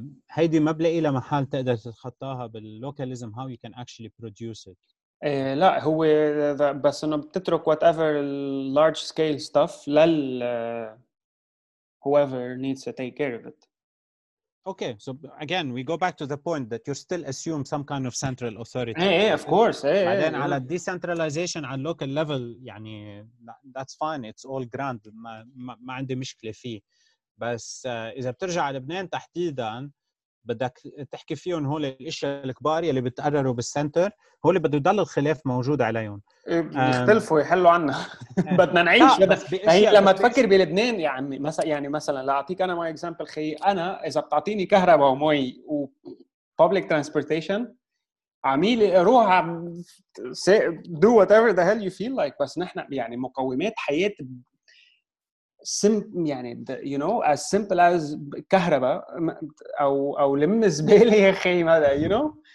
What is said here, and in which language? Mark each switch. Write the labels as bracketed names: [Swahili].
[Arabic] هيدي ما بلاقي لها محل تقدر تتخطاها باللوكاليزم, [English] how you can actually produce it. [Arabic] لا هو بس انه بتترك [English] whatever large scale stuff لل whoever needs to take care of it. Okay, so again we go back to the point that you still assume some kind of central authority. Hey, of course. Hey, [Arabic] بعدين hey, على yeah. [English] decentralization على local level يعني that's fine, it's all grand, [Arabic] ما عندي مشكلة فيه. بس إذا بترجع على لبنان تحديدا بدك تحكي فيهم هول الأشياء الكبار يلي بتقرروا بالسنتر, هول بدو يضل الخلاف موجود عليهم. يختلفوا يحلوا عنا. بدنا نعيش. بس لما تفكر بلبنان يعني مثلا, يعني مثلا لأعطيك أنا my example, خي أنا إذا بتعطيني كهرباء ومي و public transportation عميلي روح [English] do whatever the hell you feel like, [Arabic] بس نحن يعني مقومات حياة simple, يعني [English] you know as simple as [Arabic] كهرباء او لم زباله يا اخي, ما ده you know.